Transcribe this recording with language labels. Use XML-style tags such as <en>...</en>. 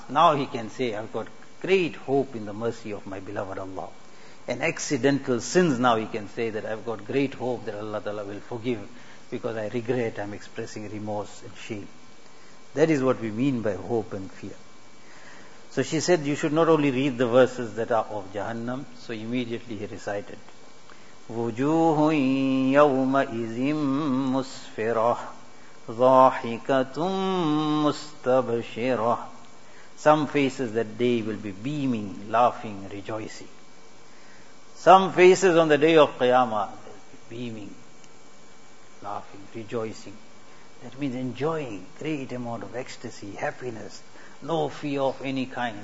<en>Now he can say, I've got great hope in the mercy of my beloved Allah. And accidental sins, now he can say that I've got great hope that Allah Ta'ala will forgive, because I regret, I'm expressing remorse and shame. That is what we mean by hope and fear. So she said, you should not only read the verses that are of Jahannam. So immediately he recited,</en> <ar>وُجُوهٌ يَوْمَئِذٍ مُسْفِرَةٌ ضَاحِكَةٌ مُسْتَبْشِرَةٌ.</ar> <en>Some faces that day will be beaming, laughing, rejoicing. Some faces on the day of Qiyamah, beaming, laughing, rejoicing. That means enjoying great amount of ecstasy, happiness, no fear of any kind.</en>